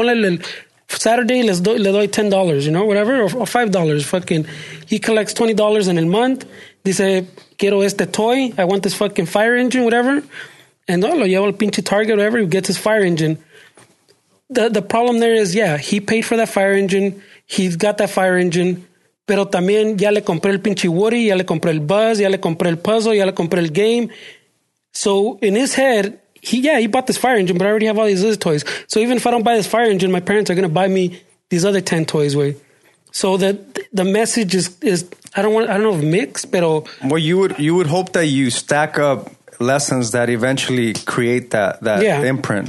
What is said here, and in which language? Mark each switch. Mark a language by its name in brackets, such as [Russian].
[Spanish] Ponle [English] Saturday, [Spanish] le doy [English] $10, you know, whatever, or $5, fucking. He collects $20 in a month. [Spanish] Dice, quiero este [English] toy. I want this fucking fire engine, whatever. And [Spanish] lo llevo al pinche [English] Target, whatever, he gets his fire engine. The problem there is, yeah, he paid for that fire engine. He's got that fire engine. [Spanish] Pero también ya le compré el pinche Woody, ya le compré el Buzz, ya le compré el Puzzle, ya le compré el Game. [English] So in his head, he bought this fire engine, but I already have all these other toys. So even if I don't buy this fire engine, my parents are going to buy me these other 10 toys, way. So that the message is I don't know if mixed, [Spanish] pero... [English] Well, you would hope that you stack up lessons that eventually create that imprint.